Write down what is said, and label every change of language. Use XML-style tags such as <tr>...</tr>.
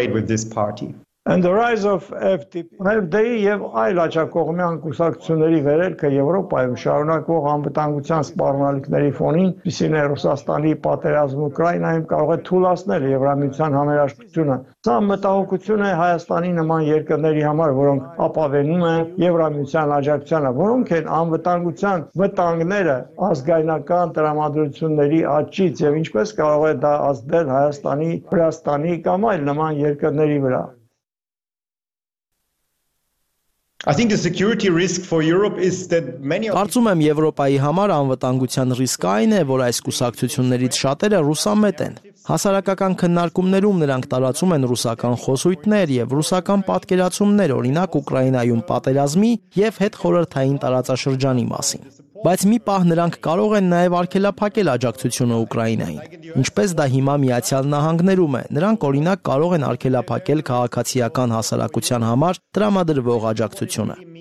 <en>And the rise of FDP,</en> <hy>FDP-ի եւ այլ աջակողմյան կուսակցությունների վերելքը Եվրոպայում շարունակվող անվտանգության սպառնալիքների ֆոնին, իսկ Ռուսաստանի պատերազմ Ուկրաինայում կարող է թույլատրել Եվրամիության համերաշխությունը։ Սա մտահոգություն է Հայաստանի նման երկրների համար, որոնք ապավենում են Եվրամիության աջակցությանը, որոնք են անվտանգության վտանգները ազգայնական տրամադրությունների աճից եւ ինչպես կարող է դա ազդել Հայաստանի, Հրաստանի կամ այլ նման երկրների վրա։</hy> <en>I think the security risk for Europe is that many of</en> <hy>Կարծում եմ Եվրոպայի համար անվտանգության ռիսկը այն է, որ այս կուսակցություններից շատերը ռուսամետ են։ Հասարակական քննարկումներում նրանք տարածում են ռուսական խոսույթներ եւ ռուսական պատկերացումներ, օրինակ Ուկրաինայում պատերազմի եւ հետխորհրդային տարածաշրջանի մասին։ Բայց մի պահ նրանք կարող են նաև արգելափակել աջակցությունը Ուկրաինային։ Ինչպես դա հիմա Միացյալ Նահանգներում է, նրանք օրինակ կարող են արգելափակել քաղաքացիական հասարակության համար տրամադրվող աջակցությունը։</hy>